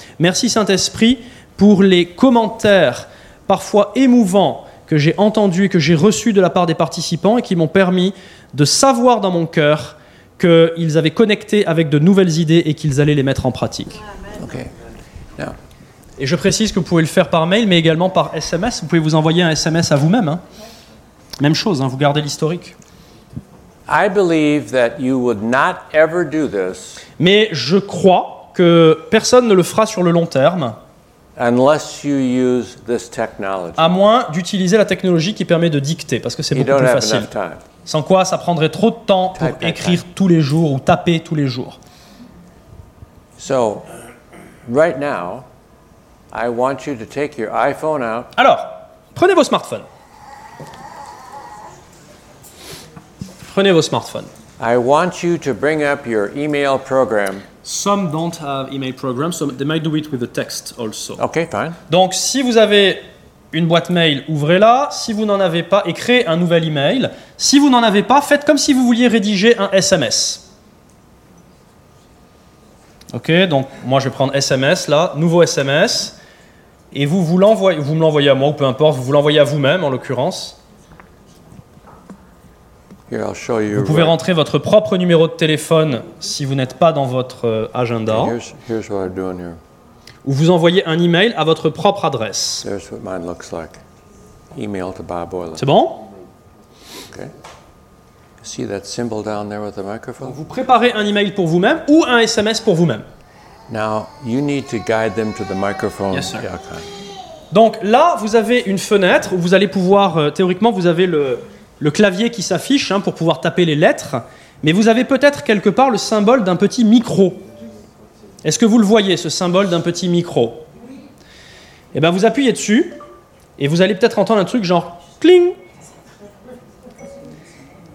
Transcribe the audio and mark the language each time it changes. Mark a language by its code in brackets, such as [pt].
[fr] Merci Saint-Esprit pour les commentaires parfois émouvants que j'ai entendus et que j'ai reçus de la part des participants et qui m'ont permis de savoir dans mon cœur qu'ils avaient connecté avec de nouvelles idées et qu'ils allaient les mettre en pratique. [en] Okay. Yeah. [fr] Et je précise que vous pouvez le faire par mail, mais également par SMS. Vous pouvez vous envoyer un SMS à vous-même. Hein. Même chose, hein, vous gardez l'historique. [en] I believe that you would not ever do this. [fr] Mais je crois que personne ne le fera sur le long terme. [en] Unless you use this technology. [fr] À moins d'utiliser la technologie qui permet de dicter, parce que c'est beaucoup plus facile. Sans quoi, ça prendrait trop de temps pour écrire tous les jours ou taper tous les jours. [en] So, right now, I want you to take your iPhone out. [fr] Alors, prenez vos smartphones. Prenez vos smartphones. [en] I want you to bring up your email program. Some don't have email programs, so they might do it with the text also. Okay, fine. [fr] Donc, si vous avez une boîte mail, ouvrez-la. Si vous n'en avez pas, et créez un nouvel email. Si vous n'en avez pas, faites comme si vous vouliez rédiger un SMS. Ok, donc moi je vais prendre SMS là, nouveau SMS. Et vous, vous me l'envoyez à moi, ou peu importe, vous l'envoyez à vous-même en l'occurrence. [en] Here, I'll show you [fr] vous pouvez rentrer votre propre numéro de téléphone si vous n'êtes pas dans votre agenda. [en] Okay, here's what I'm doing here. [fr] Ou vous envoyez un email à votre propre adresse. [en] Here's what mine looks like. Email to Bob Boylan. [fr] C'est bon? [en] Okay. See that symbol down there with the microphone? [fr] Vous préparez un email pour vous-même ou un SMS pour vous-même. [en] Now, you need to guide them to the microphone. Yes, sir. Okay. [fr] Donc là, vous avez une fenêtre où vous allez pouvoir, théoriquement, vous avez le clavier qui s'affiche hein, pour pouvoir taper les lettres, mais vous avez peut-être quelque part le symbole d'un petit micro. Est-ce que vous le voyez, ce symbole d'un petit micro? Eh bien, vous appuyez dessus et vous allez peut-être entendre un truc genre « cling ».